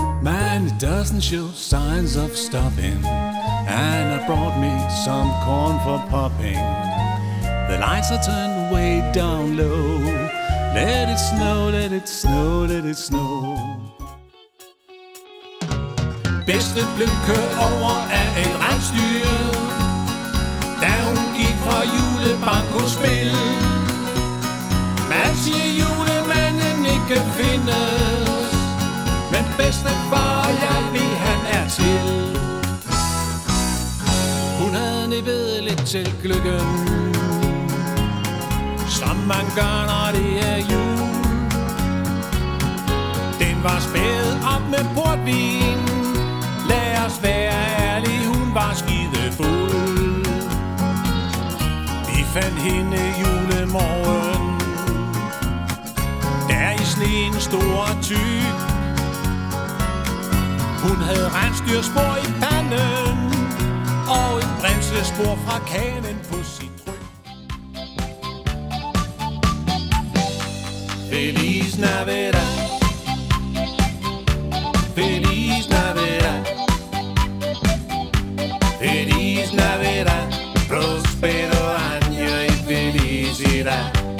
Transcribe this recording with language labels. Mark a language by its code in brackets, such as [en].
[en] Man, it doesn't show signs of stopping, and I brought me some corn for popping. The lights are turned way down low. Let it snow, let it snow, let it snow. [da] Bedste blev kørt over af et rensdyr, da hun gik fra julebankospil. Man siger julemanden ikke findes, men bedste far, jeg ved, han er til. Hun havde nippet lidt til gløggen, som man gør, når det er jul. Den var spæd op med portvin. Lad os være ærlige, hun var skidefuld. Vi fandt hende julemorgen, der i sneen store tyk. Hun havde rensdyrspor i panden og et bremsespor fra kanen på sit ryg. [es] Feliz Navidad, Feliz Navidad, Feliz Navidad, Prospero Año y Felicidad.